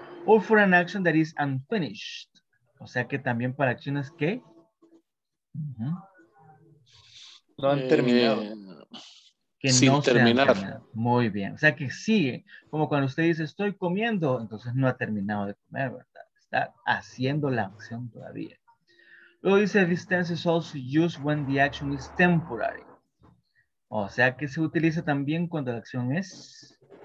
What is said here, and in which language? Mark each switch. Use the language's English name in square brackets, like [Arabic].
[English] Or for an action that is unfinished. [Spanish] O sea que también para acciones que no han terminado. Que sin no terminar. Muy bien. O sea que sigue. Como cuando usted dice estoy comiendo, entonces no ha terminado de comer, ¿verdad? Está haciendo la acción todavía. Luego dice [English] this tense is also used when the action is temporary. [Spanish] O sea que se utiliza también cuando la acción es